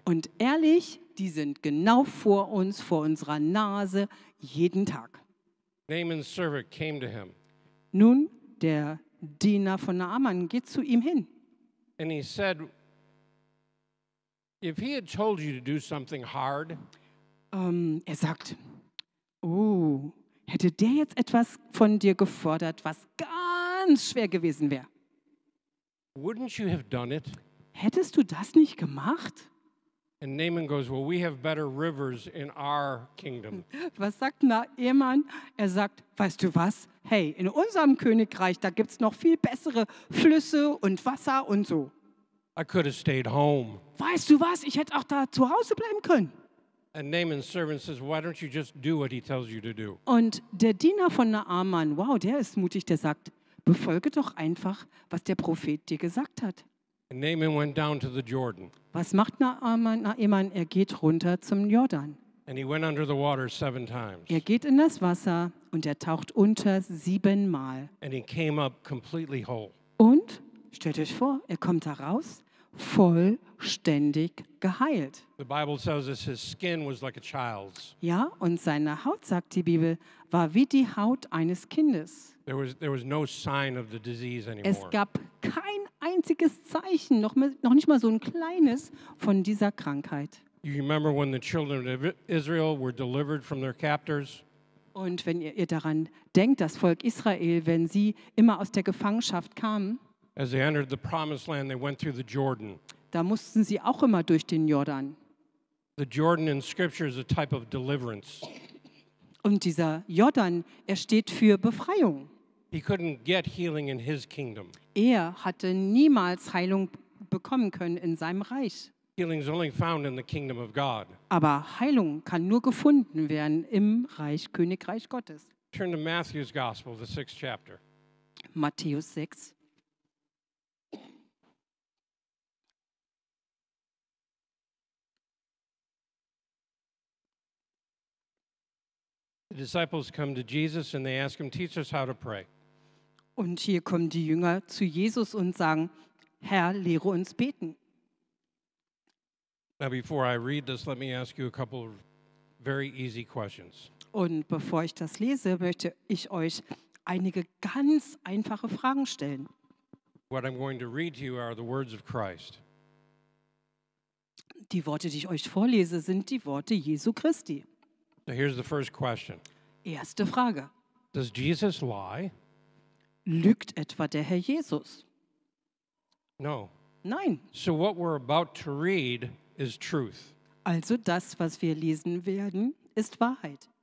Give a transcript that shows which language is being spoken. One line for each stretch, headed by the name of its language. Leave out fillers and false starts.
German: Und ehrlich, die sind genau vor uns, vor unserer Nase, jeden Tag.
English: Naaman's servant came to him.
German: Nun, der Diener von Naaman geht zu ihm hin.
English: And he said, if he had told you to do something hard,
German: er sagt, oh, hätte der jetzt etwas von dir gefordert, was ganz schwer gewesen wäre?
English: Wouldn't you have done it?
German: Hättest du das nicht gemacht?
English: And Naaman goes, well, we have better rivers in our kingdom.
German: Was sagt Naaman? Er sagt, weißt du was? Hey, in unserem Königreich, da gibt's noch viel bessere Flüsse und Wasser und so.
English: I could have stayed home.
German: Weißt du was? Ich hätte auch da zu Hause bleiben können.
English: And Naaman's servant says, why don't you just do what he tells you to do?
German: Und der Diener von Naaman, wow, der ist mutig, der sagt, befolge doch einfach, was der Prophet dir gesagt hat.
English: And Naaman went down to the Jordan.
German: Was macht Naaman? Er geht runter zum Jordan.
English: And he went under the water 7 times.
German: Er geht in das Wasser und er taucht unter 7 Mal.
English: And he came up completely whole.
German: Und stellt euch vor, er kommt da raus, vollständig geheilt.
English: The Bible tells us his skin was like a child's.
German: Ja, und seine Haut, sagt die Bibel, war wie die Haut eines Kindes.
English: There was no sign of the disease anymore.
German: Es gab kein einziges Zeichen, noch nicht mal so ein kleines, von dieser Krankheit.
English: You remember when the children of Israel were delivered from their captors?
German: Und wenn ihr daran denkt, das Volk Israel, wenn sie immer aus der Gefangenschaft kamen,
English: as they entered the promised land, they went through the Jordan.
German: Da mussten sie auch immer durch den Jordan.
English: The Jordan in Scripture is a type of deliverance.
German: Und dieser Jordan, er steht für Befreiung.
English: He couldn't get healing in his kingdom.
German: Er hatte niemals Heilung bekommen können in seinem Reich.
English: Healing is only found in the kingdom of God.
German: Aber Heilung kann nur gefunden werden im Reich Königreich Gottes.
English: Turn to Matthew's Gospel, the 6th chapter.
German: Matthäus 6.
English: The disciples come to Jesus and they ask him, "Teach us how to pray."
German: Und hier kommen die Jünger zu Jesus und sagen, Herr, lehre uns beten.
English: Now before I read this, let me ask you a couple of very easy questions.
German: Und bevor ich das lese, möchte ich euch einige ganz einfache Fragen stellen.
English: What I'm going to read to you are the words of Christ.
German: Die Worte, die ich euch vorlese, sind die Worte Jesu Christi.
English: So here's the first question.
German: Erste Frage.
English: Does Jesus lie?
German: Lügt etwa der Herr Jesus?
English: No.
German: Nein.
English: So what we're about to read is truth.
German: Also das, was wir lesen werden, ist Wahrheit.